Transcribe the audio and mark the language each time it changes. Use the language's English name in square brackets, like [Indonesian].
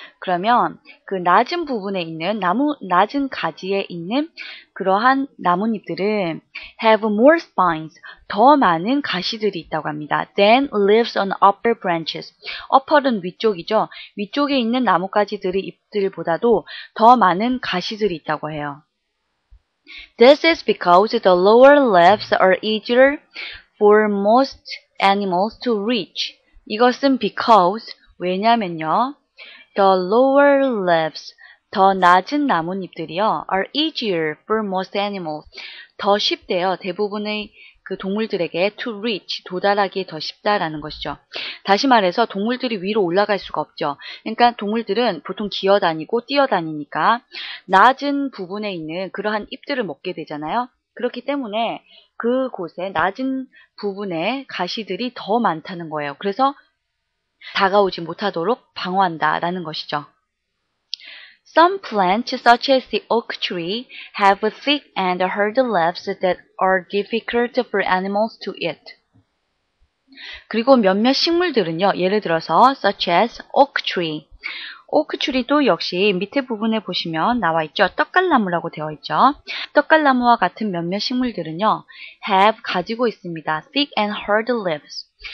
[Korean] 그러면 그 낮은 부분에 있는 나무, 낮은 가지에 있는 그러한 나뭇잎들은 [English] have more spines, [Korean] 더 많은 가시들이 있다고 합니다. [English] than leaves on upper branches. upper은 [Korean] 위쪽이죠. 위쪽에 있는 나뭇가지들의 잎들보다도 더 많은 가시들이 있다고 해요. [English] This is because the lower leaves are easier for most animals to reach. [Korean] 이것은 [English] because, [Korean] 왜냐면요. [English] The lower leaves, [Korean] 더 낮은 나뭇잎들이요. [English] Are easier for most animals. [Korean] 더 쉽대요. 대부분의 그 동물들에게 [English] to reach, [Korean] 도달하기 더 쉽다라는 것이죠. 다시 말해서 동물들이 위로 올라갈 수가 없죠. 그러니까 동물들은 보통 기어다니고 뛰어다니니까 낮은 부분에 있는 그러한 잎들을 먹게 되잖아요. 그렇기 때문에 그곳에 낮은 부분에 가시들이 더 많다는 거예요. 그래서 다가오지 못하도록 방어한다라는 것이죠. [English] Some plants such as the oak tree have thick and hard leaves that are difficult for animals to eat. [Korean] 그리고 몇몇 식물들은요. 예를 들어서 [English] such as oak tree. [Korean] Oak tree도 역시 밑에 부분에 보시면 나와 있죠. 떡갈나무라고 되어 있죠. 떡갈나무와 같은 몇몇 식물들은요. [English] have [Korean] 가지고 있습니다. [English] thick and hard leaves.